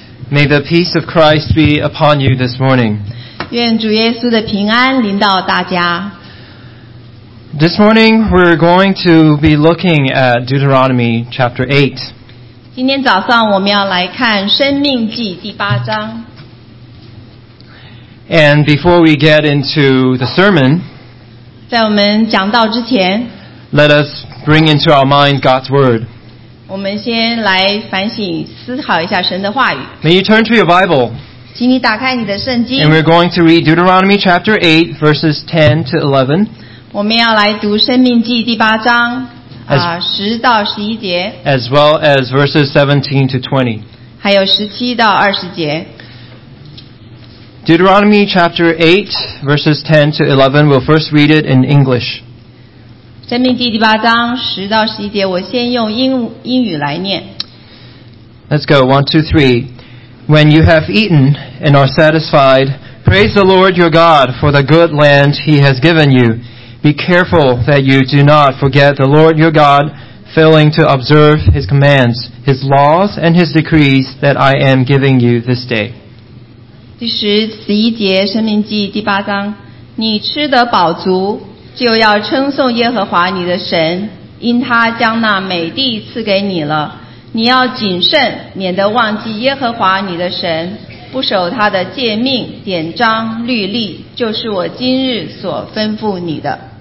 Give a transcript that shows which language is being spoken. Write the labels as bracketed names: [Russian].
[English] May the peace of Christ be upon you this morning. [Chinese] 愿主耶稣的平安临到大家。 [English] This morning we're going to be looking at Deuteronomy chapter 8. [Chinese] 今天早上我们要来看生命记第八章。 [English] And before we get into the sermon, [Chinese] 在我们讲道之前, [English] let us bring into our mind God's word. [Chinese] 我们先来反省思考一下神的话语。 [English] May you turn to your Bible. [Chinese] 请你打开你的圣经。 [English] And we're going to read Deuteronomy chapter 8, verses 10 to 11. [Chinese] 我们要来读生命记第八章, 10到11节。 [English] As well as verses 17 to 20. [Chinese] 还有17到20节。 [English] Deuteronomy chapter 8, verses 10 to 11, we'll first read it in English. [Chinese] 生命记第八章十到十一节，我先用英语来念。 [English] Let's go, 1, 2, 3. When you have eaten and are satisfied, praise the Lord your God for the good land he has given you. Be careful that you do not forget the Lord your God, failing to observe his commands, his laws, and his decrees that I am giving you this day. [Chinese] 第十十一节，生命记第八章，你吃得饱足，就要称颂耶和华你的神，因他将那美地赐给你了。你要谨慎，免得忘记耶和华你的神，不守他的诫命、典章、律例，就是我今日所吩咐你的。